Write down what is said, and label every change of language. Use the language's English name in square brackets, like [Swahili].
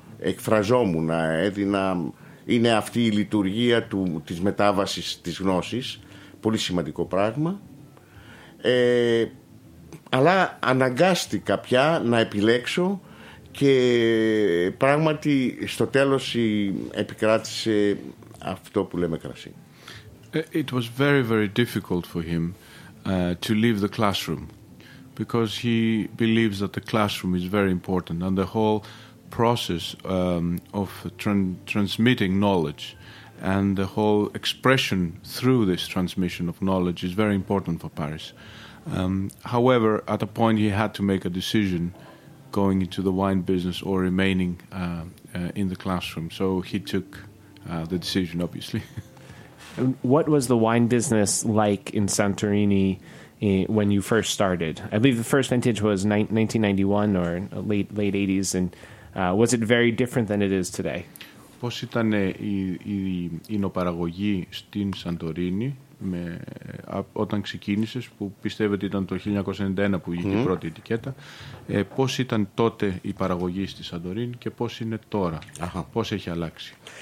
[Greek] Εκφραζόμουν, έδινα, είναι αυτή η λειτουργία της μετάβασης της γνώσης, πολύ σημαντικό πράγμα. Αλλά αναγκάστηκα πια να επιλέξω και πράγματι στο τέλος επικράτησε αυτό που λέμε κρασί. [English] It was very, very difficult for him to leave the classroom because he believes that the classroom is very important and the whole process of transmitting knowledge and the whole expression through this transmission of knowledge is very important for Paris. However, at a point he had to make a decision going into the wine business or remaining in the classroom. So he took the decision, obviously. What was the wine business like in Santorini when you first started? I believe the first vintage was 1991 or late 80s. And was it very different than it is today? [Greek] Πώς ήταν η νοπαραγωγή στην Σαντορίνη όταν ξεκίνησες, που πιστεύετε ήταν το 1991 που βγήκε η πρώτη ετικέτα, πώς ήταν τότε η παραγωγή στη Σαντορίνη και πώς είναι τώρα, πώς έχει αλλάξει?